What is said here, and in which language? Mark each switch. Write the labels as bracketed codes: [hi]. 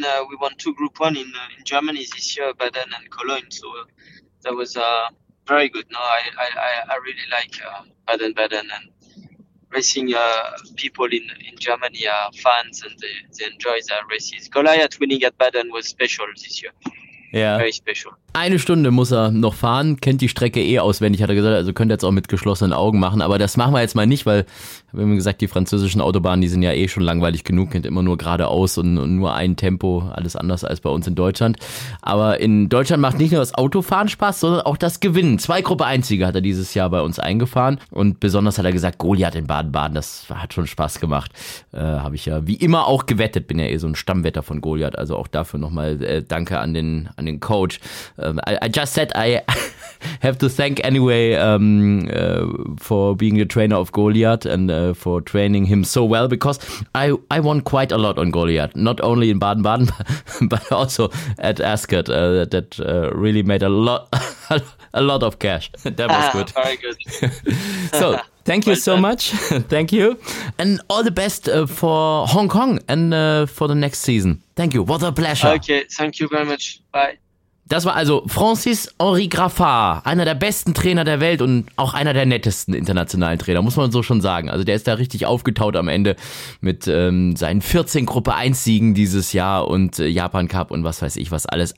[en] we won two Group 1 in Germany this year, Baden and Cologne. So... that was very good. No, I really like Baden-Baden, and racing people in Germany are fans, and they enjoy their races. Goliath winning at Baden was special this year. [de] Ja. [en] Very special. [de] Eine Stunde muss er noch fahren, kennt die Strecke eh auswendig, hat er gesagt, also könnte er jetzt auch mit geschlossenen Augen machen, aber das machen wir jetzt mal nicht, weil, wie gesagt, die französischen Autobahnen, die sind ja eh schon langweilig genug, sind immer nur geradeaus und nur ein Tempo, alles anders als bei uns in Deutschland. Aber in Deutschland macht nicht nur das Autofahren Spaß, sondern auch das Gewinnen. Zwei Gruppe 1-Siege hat er dieses Jahr bei uns eingefahren und besonders hat er gesagt, Goliath in Baden-Baden, das hat schon Spaß gemacht. Habe ich ja wie immer auch gewettet, bin ja eh so ein Stammwetter von Goliath, also auch dafür nochmal danke an den Coach. [en] I just said I have to thank anyway for being the trainer of Goliath and for training him so well, because I won quite a lot on Goliath, not only in Baden-Baden, but also at Ascot. That really made a lot of cash. That was good. Very good. So, thank you so much. Thank you. And all the best for Hong Kong and for the next season. Thank you. What a pleasure. Okay, thank you very much. Bye. [de] Das war also Francis-Henri Graffard, einer der besten Trainer der Welt und auch einer der nettesten internationalen Trainer, muss man so schon sagen. Also der ist da richtig aufgetaut am Ende mit seinen 14 Gruppe 1 Siegen dieses Jahr und Japan Cup und was weiß ich was alles.